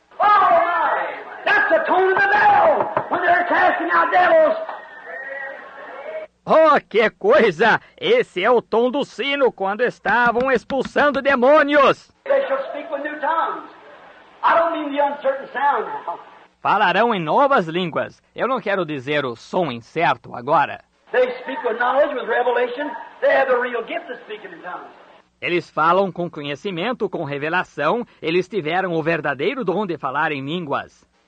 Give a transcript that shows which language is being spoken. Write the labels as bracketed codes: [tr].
[en] Oh, that's the tone of the bell when they're casting out devils. [pt] Oh, que coisa! Esse é o tom do sino quando estavam expulsando demônios. [en] They shall speak with new tongues. I don't mean the uncertain sound now. [pt] Falarão em novas línguas. Eu não quero dizer o som incerto agora. [en] They speak with knowledge, with revelation. They have the real gift of speaking in tongues. [pt] Eles falam com conhecimento, com revelação. Eles tiveram o verdadeiro dom de falar em línguas.